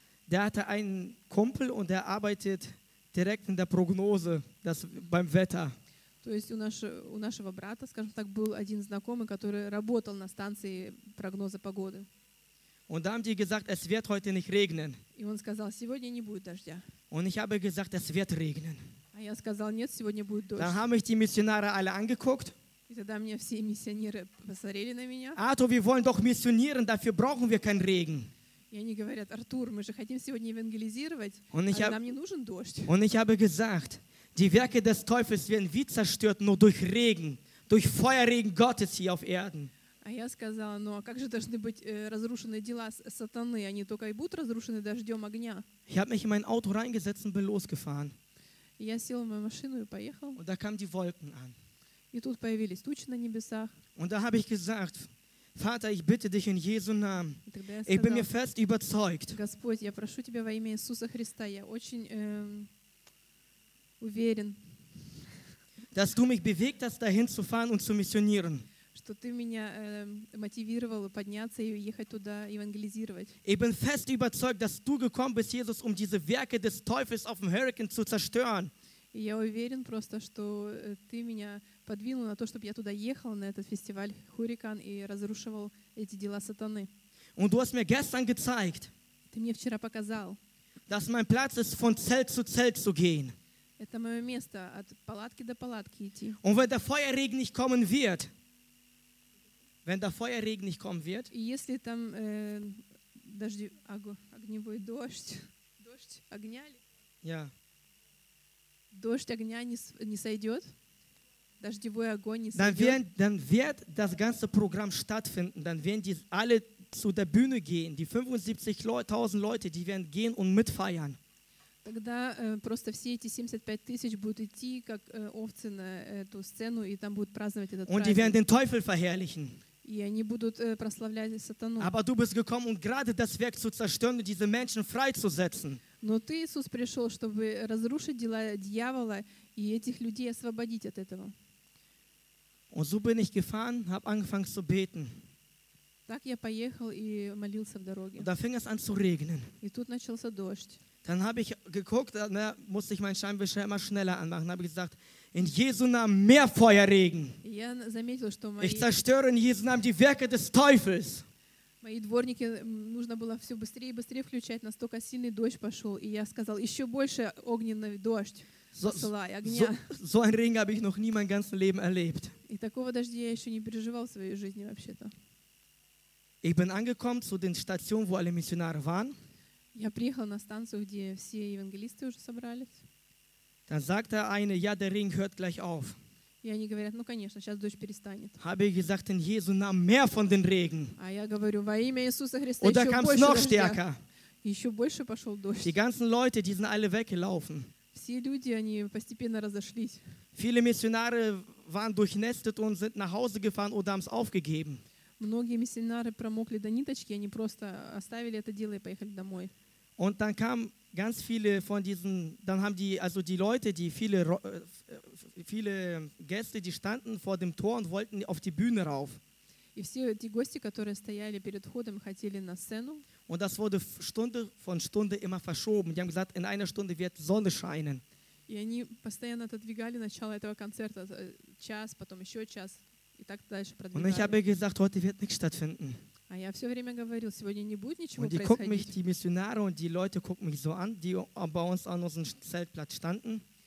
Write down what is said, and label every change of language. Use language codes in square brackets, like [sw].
[de] Der hatte einen Kumpel und er arbeitet direkt in der Prognose, das beim Wetter. [ru] То есть у нашего брата, скажем так, был один знакомый, который работал на станции прогноза погоды. [de] Und da haben die gesagt, es wird heute nicht regnen. [ru] И он сказал: сегодня не будет дождя. [de] Und ich habe gesagt, es wird regnen. [ru] А я сказал: нет, сегодня будет дождь. [de] Dann haben mich die Missionare alle angeguckt. [ru] И тогда мне все миссионеры посмотрели на меня. [de] Arthur, wir wollen doch missionieren, dafür brauchen wir keinen Regen. [ru] И они говорят: Артур, мы же хотим сегодня евангелизировать, а нам не нужен дождь. [de] Und ich habe gesagt, die Werke des Teufels werden wie zerstört nur durch Regen, durch Feuerregen Gottes hier auf Erden. [ru] А я сказала: ну а как же должны быть разрушены дела сатаны? Они только и будут разрушены дождем огня. [de] Ich habe mich in mein Auto reingesetzt und bin losgefahren. [ru] Я сел в мою машину и поехал. [de] Und da kamen die Wolken an. [ru] И тут появились тучи на небесах. [de] Und da habe ich gesagt: Vater, ich bitte dich in Jesu Namen. Ich bin mir fest überzeugt. [ru] Господь, я прошу тебя во имя Иисуса Христа, я очень уверен, [de] dass du mich bewegt hast, dahin zu fahren und zu missionieren. [ru] Что ты меня мотивировал подняться и ехать туда евангелизировать. [de] Ich bin fest überzeugt, dass du gekommen bist, Jesus, um diese Werke des Teufels auf dem Hurricane zu zerstören. [ru] Я уверен просто, что ты меня подвинул на то, чтобы я туда ехал, на этот фестиваль Хурикан, и разрушивал эти дела сатаны. [de] Und du hast mir gestern gezeigt, [ru] ты мне вчера показал, [de] dass mein Platz ist, von Zelt zu Zelt zu gehen. [ru] Это мое место, от палатки до палатки идти. [de] Und wenn der Feuerregen nicht kommen wird, Wenn der Feuerregen nicht kommen wird, [ru] если там дожди, огневой дождь, дождь огня, [de] ja. [ru] Дождь огня не, не сойдет, дождевой огонь не [de] dann [ru] сойдет, [de] werden, dann wird das ganze Programm stattfinden, dann werden die alle zu der Bühne gehen, die 75.000 Leute, die werden gehen und mitfeiern. [ru] Тогда просто все эти 75 тысяч будут идти, как овцы на эту сцену, и там будут праздновать этот [de] und [ru] праздник. И они будут прославлять сатану. [de] Aber du bist gekommen, um gerade das Werk zu zerstören und diese Menschen freizusetzen. [ru] Но ты, Иисус, пришел, чтобы разрушить дела дьявола и этих людей освободить от этого. [de] Und so bin ich gefahren, habe angefangen zu beten. [ru] Так я поехал и молился в дороге. [de] Und da fing es an zu regnen. [ru] И тут начался дождь. [de] Dann habe ich geguckt, da musste ich meinen Scheinwischer immer schneller anmachen. Habe ich gesagt, in Jesu Namen mehr Feuerregen. Ich zerstöre in Jesu Namen die Werke des Teufels. [ru] Мои дворники нужно было все быстрее и быстрее включать, настолько сильный дождь пошел, и я сказал, еще больше огненный дождь. Посылай, огня. [de] So ein Regen habe ich noch nie mein ganzes Leben erlebt. [ru] И такого дождя я еще не переживал в своей жизни вообще-то. [de] Ich bin angekommen zu den Stationen, wo alle Missionare waren. [ru] Я приехал на станцию, где все евангелисты уже собрались. [de] Dann sagte eine, ja, der Regen hört gleich auf. [ru] И они говорят, ну конечно, сейчас дождь перестанет. [de] Habe ich gesagt, in Jesu Namen mehr von den Regen. [ru] А я говорю, во имя Иисуса Христа еще больше дождя. [de] Noch stärker. [ru] Еще больше пошел дождь. [de] Die ganzen Leute, die sind alle weggelaufen. [ru] Все люди, они постепенно разошлись. [de] Viele Missionare waren durchnässt und sind nach Hause gefahren oder haben es aufgegeben. [ru] Многие миссионеры промокли до ниточки, они просто оставили это дело и поехали домой. [de] Und dann kamen ganz viele von diesen, dann haben die, also die Leute, die viele, viele Gäste, die standen vor dem Tor und wollten auf die Bühne rauf. [ru] И все эти гости, которые стояли перед входом, хотели на сцену. [de] Und das wurde Stunde von Stunde immer verschoben. Die haben gesagt, in einer Stunde wird Sonne scheinen. [ru] И они постоянно отодвигали начало этого концерта, час, потом еще час. [de] Und ich habe gesagt, heute wird nichts stattfinden. Und die gucken mich, die Missionare und die Leute gucken mich so an, die bei uns an unserem Zeltplatz standen.